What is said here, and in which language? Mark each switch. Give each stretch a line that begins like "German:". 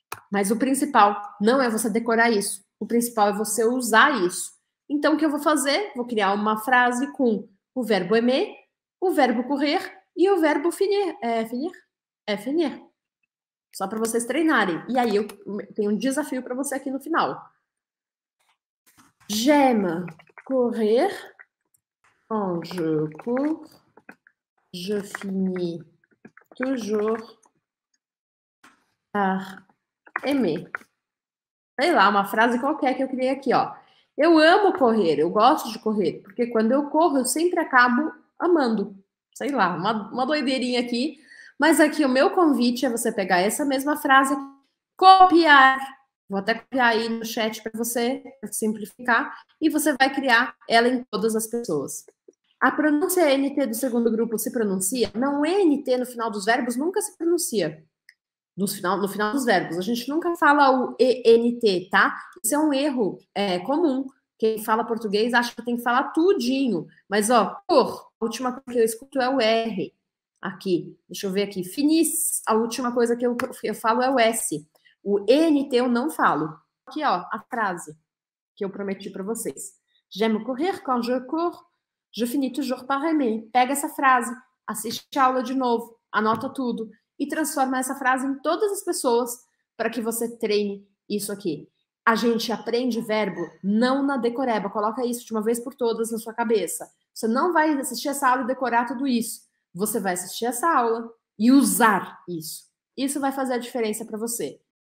Portuguese: Mas o principal não é você decorar isso. O principal é você usar isso. Então, o que eu vou fazer? Vou criar uma frase com o verbo aimer, o verbo correr e o verbo finir. É finir? É finir. Só para vocês treinarem. E aí, eu tenho um desafio para você aqui no final.
French: J'aime correr quand je cours. Je finis toujours par aimer.
Portuguese: Sei lá, uma frase qualquer que eu criei aqui, ó. Eu amo correr, eu gosto de correr, porque quando eu corro, eu sempre acabo amando. Sei lá, uma doideirinha aqui, Mas aqui o meu convite é você pegar essa mesma frase, copiar. Vou até copiar aí no chat para você, para simplificar, e você vai criar ela em todas as pessoas. A pronúncia NT do segundo grupo se pronuncia? Não, NT no final dos verbos nunca se pronuncia. No final dos verbos. A gente nunca fala o ENT, tá? Isso é um erro, comum. Quem fala português acha que tem que falar tudinho. Mas, ó, cor, a última coisa que eu escuto é o R. Aqui, deixa eu ver aqui. Finis, a última coisa que eu falo é o S. O ENT eu não falo. Aqui, ó, a frase que eu prometi para vocês.
French: J'aime courir quand je cours. Je finis toujours par aimer.
Portuguese: Pega essa frase, assiste a aula de novo, anota tudo e transforma essa frase em todas as pessoas para que você treine isso aqui. A gente aprende verbo não na decoreba. Coloca isso de uma vez por todas na sua cabeça. Você não vai assistir essa aula e decorar tudo isso. Você vai assistir essa aula e usar isso. Isso vai fazer a diferença para você.